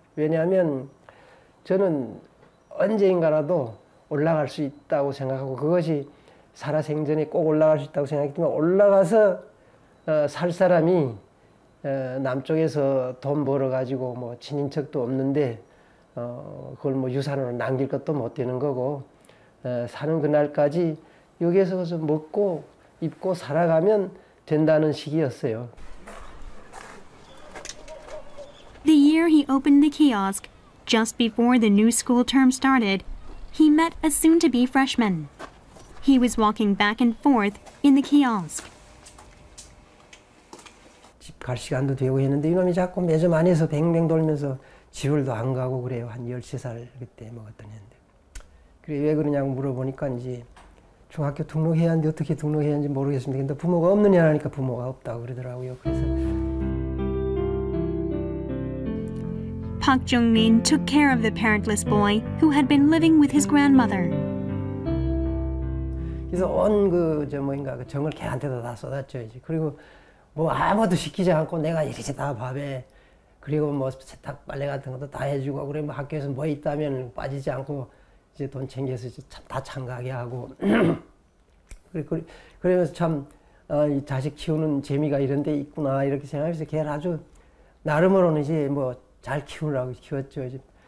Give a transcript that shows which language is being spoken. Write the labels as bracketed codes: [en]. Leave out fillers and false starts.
[ko] 왜냐하면 저는 언제인가라도 올라갈 수 있다고 생각하고 그것이 살아생전에 꼭 올라갈 수 있다고 생각했기 때문에 올라가서 살 사람이 남쪽에서 돈 벌어가지고 뭐 친인척도 없는데 그걸 뭐 유산으로 남길 것도 못 되는 거고 사는 그날까지 여기에서 먹고 입고 살아가면 된다는 시기였어요. [en] The year he opened the kiosk, just before the new school term started, he met a soon-to-be freshman. He was walking back and forth in the kiosk. [ko] 집 갈 시간도 되고 했는데 이놈이 자꾸 매점 안에서 뱅뱅 돌면서 지불도 안 가고 그래요. 한 13살 그때 먹었던 애인데. 그래 왜 그러냐고 물어보니까 이제 중학교 등록해야 하는데 어떻게 등록해야 하는지 모르겠습니다. 근데 부모가 없느냐 하니까 부모가 없다고 그러더라고요. 그래서 [en] Park Jung-min took care of the parentless boy who had been living with his grandmother. [ko] 그래서 온 그 저 뭐인가 그 정을 걔한테도 다 쏟았죠 이제. 그리고 뭐 아무도 시키지 않고 내가 이렇게 다 밥에 그리고 뭐 세탁 빨래 같은 것도 다 해주고 그리고 뭐 학교에서 뭐 있다면 빠지지 않고 이제 돈 챙겨서 이제 다 참가하게 하고 그러면서 참 아, 이 자식 키우는 재미가 이런 데 있구나 이렇게 생각해서 걔를 아주 나름으로는 이제 뭐 잘 키우라고 키웠죠 이제.